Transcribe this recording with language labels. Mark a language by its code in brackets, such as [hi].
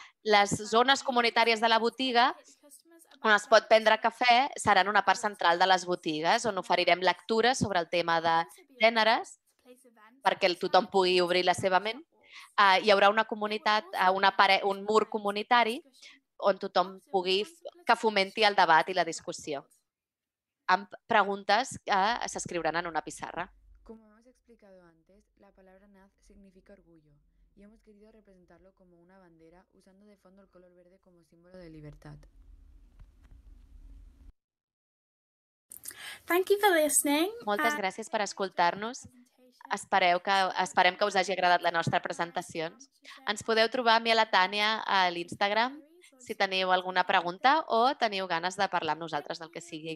[ca] Les zones comunitàries de la botiga, on es pot prendre cafè, seran una part central de les botigues, on oferirem lectures sobre el tema de gèneres, perquè tothom pugui obrir la seva ment. Hi haurà una comunitat, un mur comunitari, on tothom pugui que fomenti el debat i la discussió, amb preguntes que s'escriuran en una pissarra. [es] Com hemos explicado antes, la palabra NAZ significa orgullo y hemos querido representarlo como una bandera usando de fondo el color verde como símbolo de libertad. [en] Thank you for listening. [ca] Moltes gràcies per escoltar-nos. Esperem que us hagi agradat la nostra presentació. Ens podeu trobar a mi i a la Tània a l'Instagram si teniu alguna pregunta o teniu ganes de parlar amb nosaltres del que sigui.